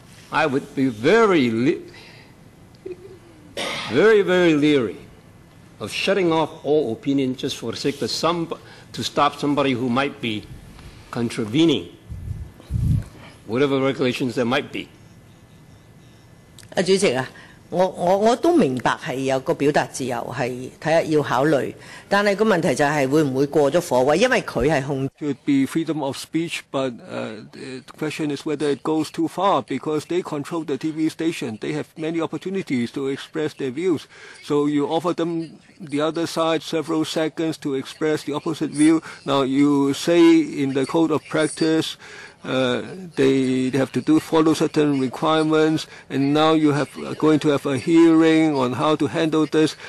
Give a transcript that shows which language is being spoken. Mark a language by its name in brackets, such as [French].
[English] I would be very, very leery of shutting off all opinion just for the sake of to stop somebody who might be contravening whatever regulations there might be. [Cantonese] 主席啊, 我都明白是有個表達自由，係睇下要考慮。但係個問題就係會唔會過咗火位，因為佢係控制。 [English] Should be freedom of speech, but the question is whether it goes too far because they control the TV station. They have many opportunities to express their views. So you offer them the other side several seconds to express the opposite view. Now you say in the code of practice. They have to follow certain requirements, and now you have going to have a hearing on how to handle this.